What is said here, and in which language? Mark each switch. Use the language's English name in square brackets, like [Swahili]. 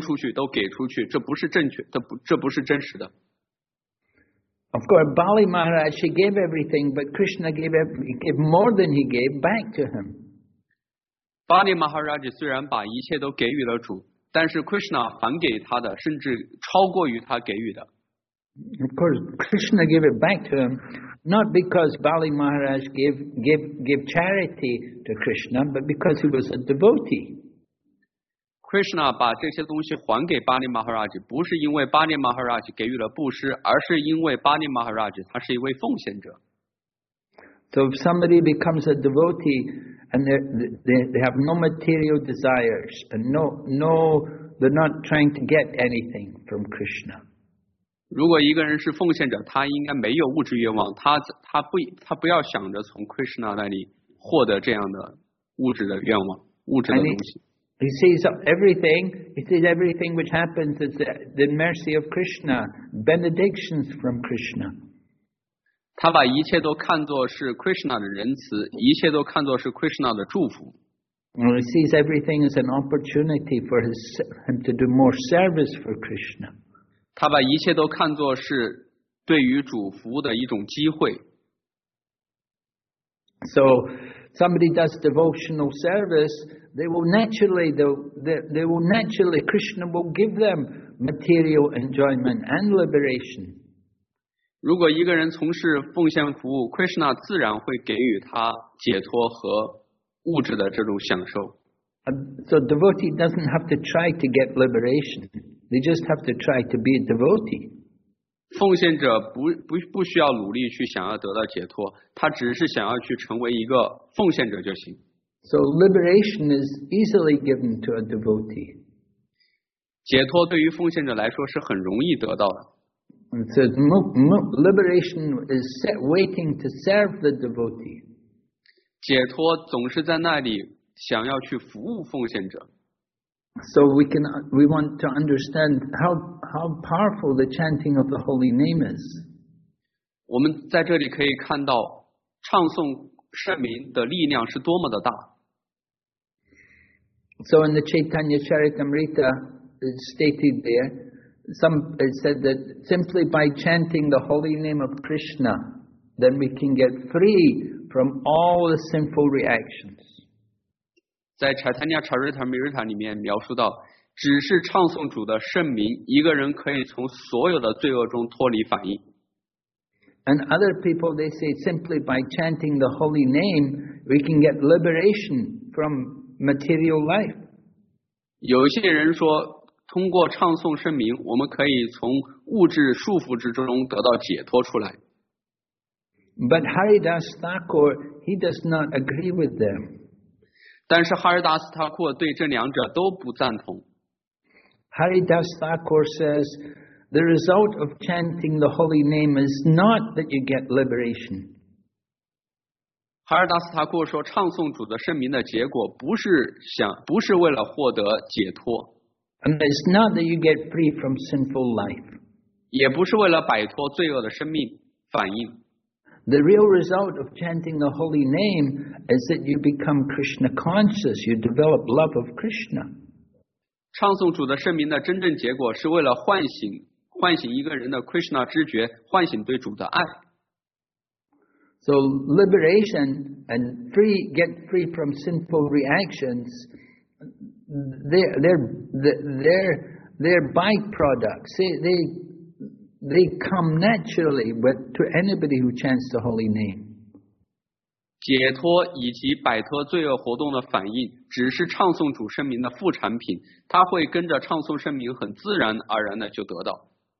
[Chinese] 有些人认为，在我从事奉献服务的时候，我得把一切都捐出去，都给出去。这不是正确，这不是真实的。 [English] Of course, Bali Maharaj, he gave everything, but Krishna gave more than he gave back to him. [Chinese] Bali Maharaj 虽然把一切都给予了主，但是 Krishna 还给他的，甚至超过于他给予的。 [English] Of course, Krishna gave it back to him, not because Bali Maharaj gave charity to Krishna, but because he was a devotee. [Chinese] Krishna 把这些东西还给 Bali Maharaj, 不是因为 Bali Maharaj 给予了布施, 而是因为 Bali Maharaj 他是一位奉献者。 [English] So if somebody becomes a devotee, and they have no material desires and no They're not trying to get anything from Krishna. [Chinese] 如果一个人是奉献者，他应该没有物质愿望，他不要想着从 Krishna 那里获得这样的物质的愿望，物质的东西。 [English] He sees everything which happens is the mercy of Krishna, benedictions from Krishna. [Chinese] 他把一切都看作是 Krishna 的仁慈，一切都看作是 Krishna 的祝福。 [English] And he sees everything as an opportunity for him to do more service for Krishna. [Chinese] 他把一切都看作是对于主服务的一种机会。 [English] So, somebody does devotional service, they will naturally, Krishna will give them material enjoyment and liberation. [Chinese] 如果一个人从事奉献服务， Krishna 自然会给予他解脱和物质的这种享受。 [English] So devotee doesn't have to try to get liberation. They just have to try to be a devotee. [Chinese] 奉献者 不需要努力去想要得到解脱，他只是想要去成为一个奉献者就行。 [English] So liberation is easily given to a devotee. [Chinese] 解脱对于奉献者来说是很容易得到的。 [English] And so liberation is set waiting to serve the devotee. [Chinese] 解脱总是在那里想要去服务奉献者。 [English] So we want to understand how powerful the chanting of the holy name is. [Chinese] 我们在这里可以看到唱诵圣名的力量是多么的大。 [English] So in the Chaitanya Charitamrita is stated there, it said that simply by chanting the holy name of Krishna, then we can get free. From all the sinful reactions. [Chinese] 在 Chaitanya Charitamrita 里面描述到，只是唱诵主的圣名，一个人可以从所有的罪恶中脱离反应。 [English] And other people, they say, simply by chanting the holy name, we can get liberation from material life. [Chinese] 有些人说，通过唱诵圣名，我们可以从物质束缚之中得到解脱出来。 [English] But Haridas Thakur, he does not agree with them. [Chinese] 但是哈尔达斯塔库尔对这两者都不赞同。 [English] Haridas Thakur says, the result of chanting the holy name is not that you get liberation. [Chinese] 哈尔达斯塔库尔说，唱诵主的圣名的结果不是为了获得解脱。 [English] And it's not that you get free from sinful life. [Chinese] 也不是为了摆脱罪恶的生命反应。 [English] The real result of chanting the holy name is that you become Krishna conscious, you develop love of Krishna. [Chinese] 唱诵主的圣名的真正结果是为了唤醒一个人的 Krishna 知觉，唤醒对主的爱。 [English] So liberation and get free from sinful reactions, they're byproducts. They come naturally, but to anybody who chants the holy name. [Chinese] 解脱以及摆脱罪恶活动的反应，只是唱诵主圣名的副产品。他会跟着唱诵圣名，很自然而然的就得到。